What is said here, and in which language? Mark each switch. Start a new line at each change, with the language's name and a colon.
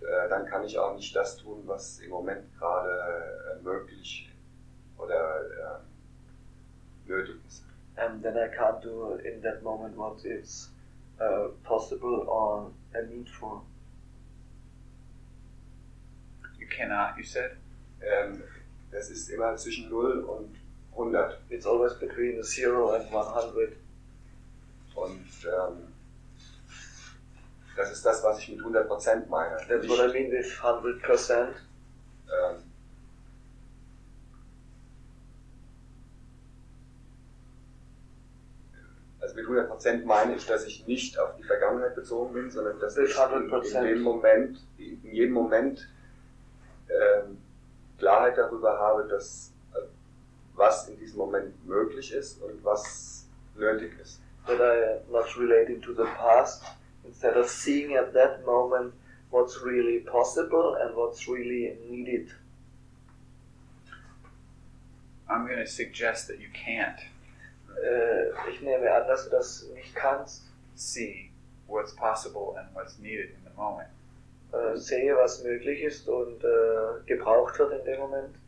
German: Dann kann ich auch nicht das tun, was im Moment gerade möglich oder nötig ist.
English: And then I can't do in that moment what is possible or a need for. You cannot, you said?
German: Das ist immer zwischen 0 und 100.
English: It's always between 0 and 100.
German: Und das ist das, was ich mit 100% meine.
English: That's what I mean with 100%.
German: Also mit 100%. 100% meine ich, dass ich nicht auf die Vergangenheit bezogen bin, sondern dass ich in jedem Moment Klarheit darüber habe, dass was in diesem Moment möglich ist und was nötig ist.
English: That I am not relating to the past, instead of seeing at that moment what's really possible and what's really needed. I'm going to suggest that you can't.
German: Ich nehme an, dass du das nicht kannst.
English: See what's possible and what's needed in the moment.
German: Sehe, was möglich ist und gebraucht wird in dem Moment.